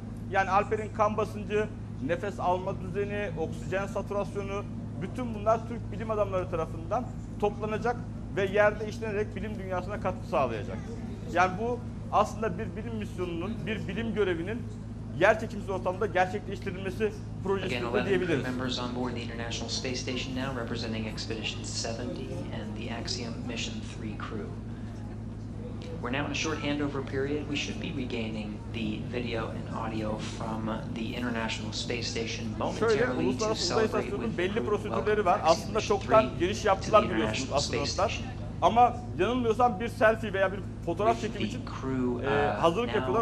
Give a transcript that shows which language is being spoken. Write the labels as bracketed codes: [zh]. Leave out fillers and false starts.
[tr] Yani Alper'in kan basıncı, nefes alma düzeni, oksijen saturasyonu, bütün bunlar Türk bilim adamları tarafından toplanacak ve yerde işlenerek bilim dünyasına katkı sağlayacak. Yani bu aslında bir bilim misyonunun, bir bilim görevinin yer çekimsiz ortamda gerçekleştirilmesi projesinde diyebiliriz. [en] Again, 11 members on board the International Space Station now representing Expedition 70 and the Axiom Mission 3 crew. We're now in a short handover period. We should be regaining the video and audio from the International Space Station momentarily. [tr] Şöyle, Uluslararası Uzay İstasyonu'nun belli prosedürleri var. Aslında çoktan giriş yaptılar biliyorsunuz astronotlar. Ama yanılmıyorsam bir selfie veya bir fotoğraf çekimi için hazırlık yapıyorlar.